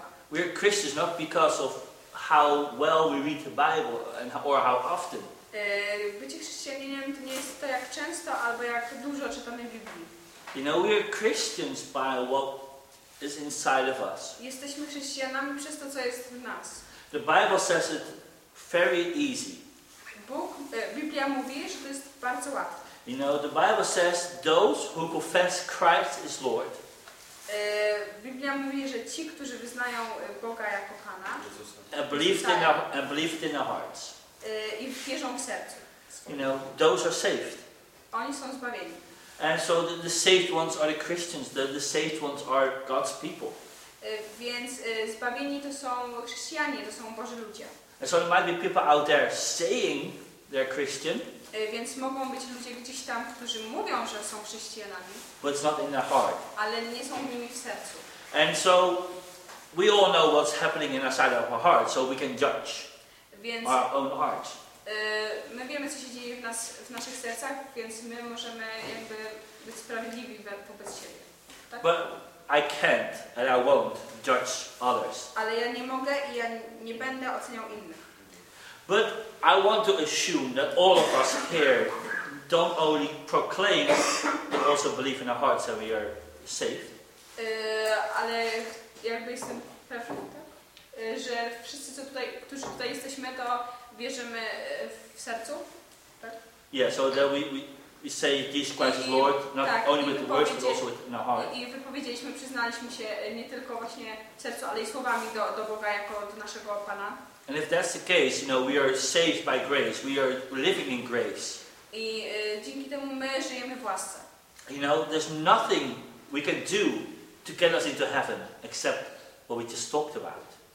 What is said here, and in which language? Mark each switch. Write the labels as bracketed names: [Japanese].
[English] We are Christians not because of how well we read the Bible and or how often. [Polish] Bycie chrześcijaninem to nie jest to, jak często albo jak dużo czytamy Biblii. [English] You know, we are Christians by what is inside of us. [Polish] Jesteśmy chrześcijanami przez to, co jest w nas. [English] The Bible says it very easy. [Polish] Biblia mówi, że to jest bardzo łatwe. [English] You know, the Bible says those who confess Christ is Lord. [Polish] Biblia mówi, że ci, którzy wyznają Boga jako Pana, [English] and believe it in their hearts. [Polish] I wierzą w sercu. [English] You know, those are saved. [Polish] Oni są zbawieni. [English] And so the saved ones are the Christians. The saved ones are God's people. [Polish] Więc zbawieni to są chrześcijanie, to są Boży ludzie. [English] And so there might be people out there saying they're Christian. [Polish] Więc mogą być ludzie gdzieś tam, którzy mówią, że są chrześcijanami. [English] But it's not in their heart. [Polish] Ale nie są w nimi w sercu. [English] And so we all know what's happening inside of our heart, so we can judge our own heart. [Polish] My wiemy, co się dzieje w naszych sercach, więc my możemy jakby być sprawiedliwi wobec siebie. Tak? [English] But I can't and I won't judge others. [Polish] Ale ja nie mogę i ja nie będę oceniał innych. [English] But I want to assume that all of us here don't only proclaim, but also believe in our hearts that we are safe. [Polish] Ale jakby jestem pewna, tak? Że wszyscy, co tutaj, którzy tutaj jesteśmy, to wierzymy w sercu, tak? [English] Yeah, so that we say Jesus Christ is Lord, not [Polish] tak, [English] only with the words, but also with the heart. [Polish] I wypowiedzieliśmy, przyznaliśmy się nie tylko właśnie w sercu, ale i słowami do Boga jako do naszego Pana. [English] And if that's the case, you know, we are saved by grace. We are living in grace. [Polish] I dzięki temu my żyjemy w łasce. [English] You know, there's nothing we can do to get us into heaven except what we just talked about.